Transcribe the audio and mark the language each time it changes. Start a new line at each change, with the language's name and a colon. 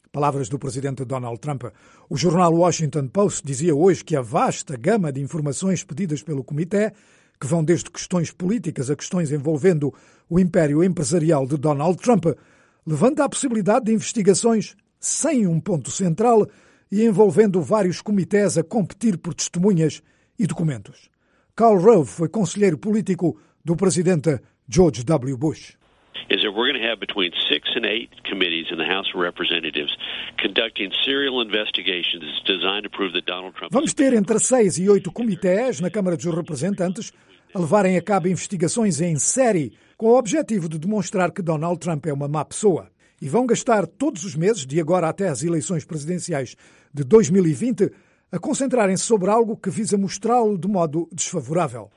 Portuguese: Palavras do presidente Donald Trump. O jornal Washington Post dizia hoje que a vasta gama de informações pedidas pelo comitê, que vão desde questões políticas a questões envolvendo o império empresarial de Donald Trump, levanta a possibilidade de investigações sem um ponto central e envolvendo vários comitês a competir por testemunhas e documentos. Karl Rove foi conselheiro político do presidente George W. Bush.
English: Is that we're going to have between 6 and 8 committees in the House of Representatives conducting serial investigations designed to prove that Donald Trump.
Portuguese: Vamos ter entre 6 e 8 comitês na Câmara dos Representantes a levarem a cabo investigações em série com o objetivo de demonstrar que Donald Trump é uma má pessoa. E vão gastar todos os meses, de agora até às eleições presidenciais de 2020, a concentrarem-se sobre algo que visa mostrá-lo de modo desfavorável.